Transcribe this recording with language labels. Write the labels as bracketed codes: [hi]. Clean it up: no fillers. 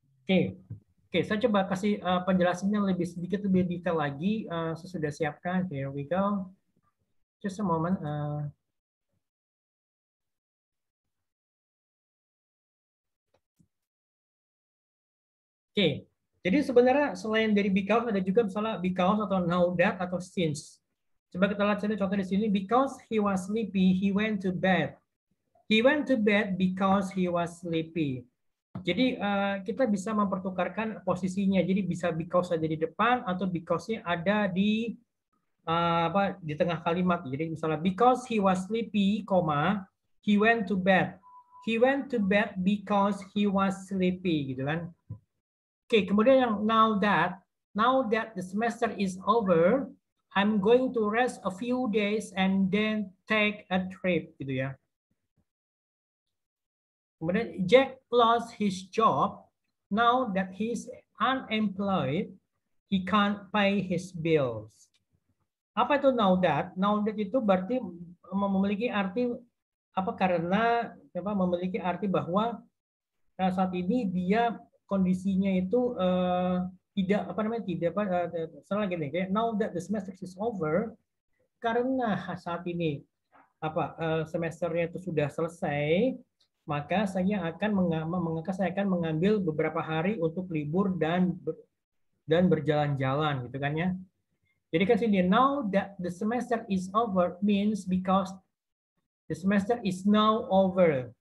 [id] Oke, saya coba kasih penjelasannya lebih sedikit lebih detail lagi sesudah siapkan. [en] Here we go. Just a moment. [id] Oke, jadi sebenarnya selain dari because ada juga misalnya because atau now that atau since. Coba kita lihat contoh di sini. [en] Because he was sleepy, he went to bed. He went to bed because he was sleepy. [id] Jadi kita bisa mempertukarkan posisinya. Jadi bisa because ada di depan atau because-nya ada di tengah kalimat. Jadi misalnya [en] because he was sleepy, he went to bed. He went to bed because he was sleepy. [id] Gitu kan? Oke, kemudian yang [en] now that the semester is over. I'm going to rest a few days and then take a trip, [id] gitu ya. Kemudian [en] Jack lost his job. Now that he's unemployed, he can't pay his bills. [id] Apa itu now that? Now that itu berarti memiliki arti apa? Karena apa? Memiliki arti bahwa saat ini dia kondisinya itu tidak apa namanya tidak apa salah gini kayak [en] now that the semester is over, [id] karena saat ini apa semesternya itu sudah selesai, maka saya akan mengambil beberapa hari untuk libur dan berjalan-jalan gitu kan ya. Jadi kan sini [en] now that the semester is over means because the semester is now over.